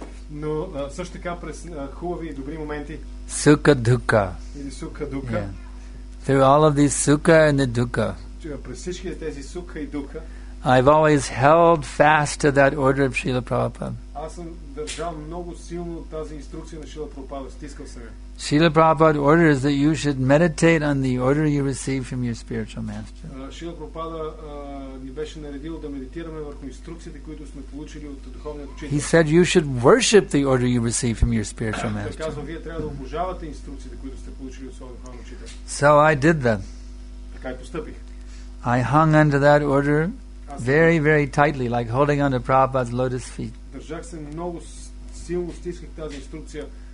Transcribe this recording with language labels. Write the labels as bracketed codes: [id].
[bg] Но също така през хубави и добри моменти. Сука дука. Или сука дука. [en] Through all of these сука and the дука. [bg] През всички тези сука и дука. [en] I've always held fast to that order of Srila Prabhupada. [bg] Аз съм държал много силно тази инструкция на Шрила Прабхупада, стискал съм я. [en] Srila Prabhupada orders that you should meditate on the order you receive from your spiritual master. [bg] Srila Prabhupada ни беше наредил да медитираме върху инструкциите, които сме получили от духовния учител. [en] He said you should worship the order you receive from your spiritual master. [bg] Казва, вие трябва да обожавате инструкциите, които сте получили от своя духовен учител. [en] So I did that. [bg] Така и постъпих. [en] I hung under that order very, very tightly, like holding on to Prabhupada's lotus feet. [bg] Държах се много силно, стисках тази инструкция.